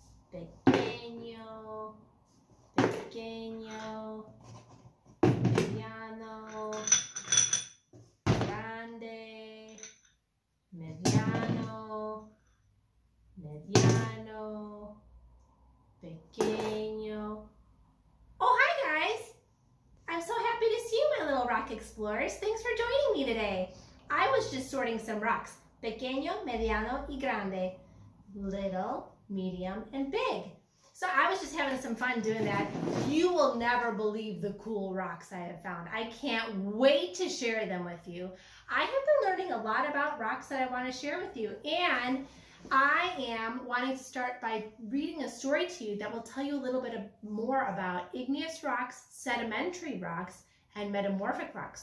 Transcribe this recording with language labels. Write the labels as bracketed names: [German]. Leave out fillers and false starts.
[Spanish] pequeño, pequeño, mediano, grande, mediano, mediano, pequeño. [English] Oh, hi guys! I'm so happy to see you, my little rock explorers. Thanks for joining me today. I was just sorting some rocks. [Spanish] Pequeño, mediano, y grande. [English] Little, medium, and big. So I was just having some fun doing that. You will never believe the cool rocks I have found. I can't wait to share them with you. I have been learning a lot about rocks that I want to share with you. And I am wanting to start by reading a story to you that will tell you a little bit more about igneous rocks, sedimentary rocks, and metamorphic rocks.